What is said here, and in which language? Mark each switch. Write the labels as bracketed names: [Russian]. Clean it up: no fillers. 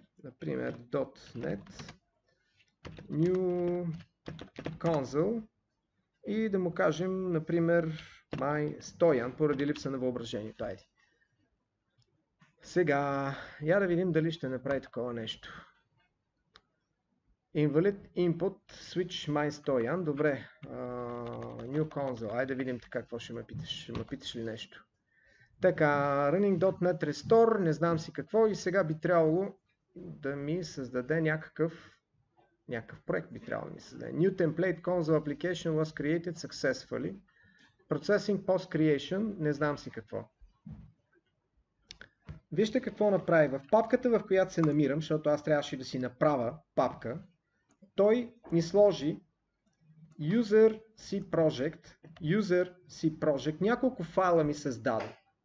[Bulgarian] Например, .NET new console и да му кажем, например, Май Стоян, поради липса на въображението. Айде. Сега, я да видим дали ще направи такова нещо. [English] Invalid input switch my стоян. [Bulgarian] Добре. [English] New console. [Bulgarian] Айде да видим така какво ще ме питаш. Ще ме питаш ли нещо? Така, [English] running.net restore, [Bulgarian] не знам си какво, и сега би трябвало да ми създаде някакъв проект би трябвало да ми създаде. [English] New template console application was created successfully. Processing post creation, [Bulgarian] не знам си какво. Вижте какво направи. В папката, в която се намирам, защото аз трябваше да си направя папка, той ми сложи user C project, няколко файла ми създаде.